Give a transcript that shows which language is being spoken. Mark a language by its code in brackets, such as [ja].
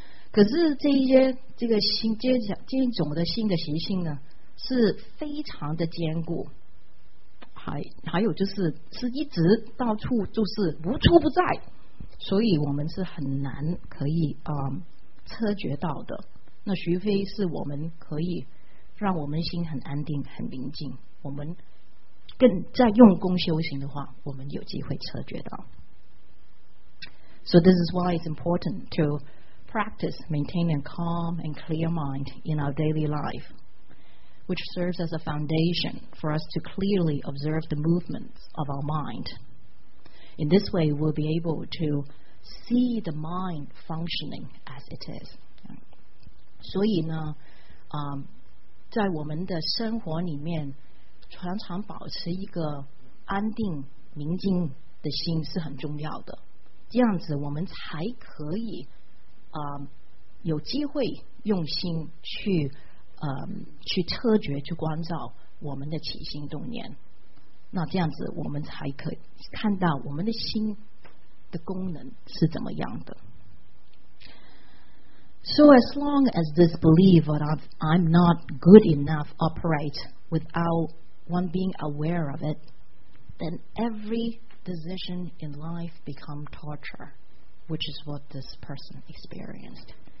[zh] 可是这一些这个新这一种的新的习性呢，是非常的坚固，还有就是是一直到处就是无处不在，所以我们是很难可以察觉到的。那除非是我们可以让我们心很安定很宁静，我们更在用功修行的话，我们有机会察觉到。 [en] So this is why it's important to practice maintaining a calm and clear mind in our daily life, which serves as a foundation for us to clearly observe the movements of our mind. In this way, we'll be able to see the mind functioning as it is. [zh] 所以呢，在我们的生活里面常常保持一个安定宁静的心是很重要的，这样子我们才可以有机会用心去察觉，去关照我们的起心动念。那这样子我们才可以看到我们的心的功能是怎么样的。 [en] So as long as this belief that I'm not good enough operate withoutone being aware of it, then every decision in life become torture, which is what this person experienced.